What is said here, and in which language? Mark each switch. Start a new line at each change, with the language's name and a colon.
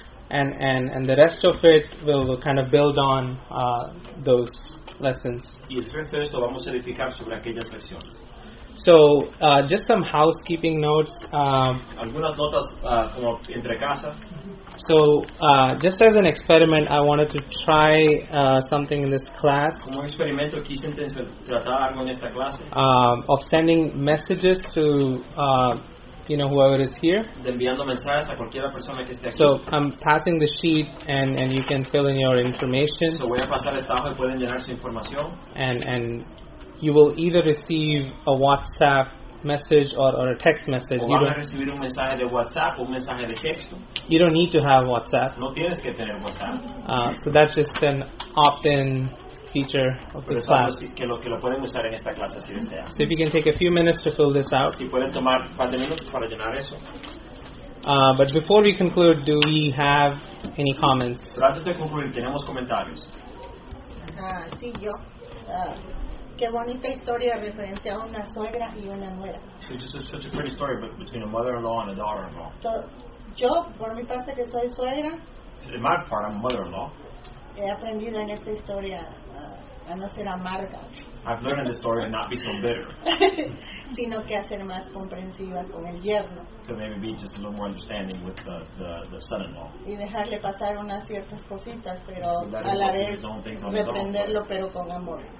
English: And the rest of it will kind of build on those lessons.
Spanish: Y el resto de esto vamos a edificar sobre aquellas lecciones.
English: So, just some housekeeping notes.
Spanish: Algunas notas como entre casa.
English: So, just as an experiment, I wanted to try something in this class.
Spanish: Como un experimento quise tratar algo en esta clase.
English: Of sending messages to whoever is here.
Spanish: De enviando mensajes a cualquiera persona que esté aquí.
English: So, I'm passing the sheet and you can fill in your information.
Spanish: So, voy a pasar esta hoja y pueden llenar su información.
English: And you will either receive a WhatsApp message or a text message.
Spanish: O van a recibir un mensaje de WhatsApp o un mensaje de texto.
English: You don't need to have WhatsApp.
Spanish: No tienes que tener WhatsApp.
English: So that's just an opt-in feature of this class.
Spanish: Que lo pueden usar en esta clase, si desea.
English: So if you can take a few minutes to fill this out.
Spanish: Si pueden tomar un par de minutos para llenar eso.
English: But before we conclude, do we have any comments?
Spanish: Pero antes de concluir, ¿tenemos comentarios? Sí, yo. Qué bonita historia referente a una suegra y una nuera.
English: It's just such a pretty story between a mother-in-law and a daughter-in-law.
Spanish: Yo, por mi parte que soy suegra.
English: In my part, I'm a mother-in-law.
Spanish: He aprendido en esta historia a no ser amarga.
English: I've learned in this story and not be so bitter.
Spanish: Sino que a ser más comprensiva con el yerno.
English: To maybe be just a little more understanding with the son-in-law.
Spanish: Y dejarle pasar unas ciertas cositas, pero a la vez reprenderlo, pero con amor.